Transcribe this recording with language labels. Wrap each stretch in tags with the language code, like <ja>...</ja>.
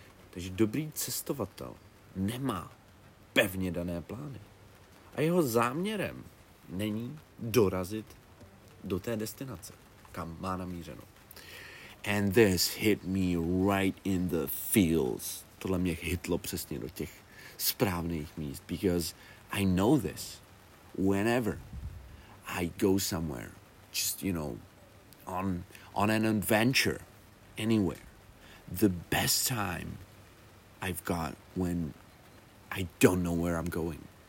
<cs>Takže dobrý cestovatel nemá pevně dané plány. A jeho záměrem není dorazit do té destinace, kam má namířeno.</cs> <en>And this hit me right in the feels.</en> <cs>Tohle mě hitlo přesně do těch správných míst.</cs> <en>Because I know this. Whenever I go somewhere, just, you know, on an adventure anywhere. The best time I've got when I don't know where I'm going.</en>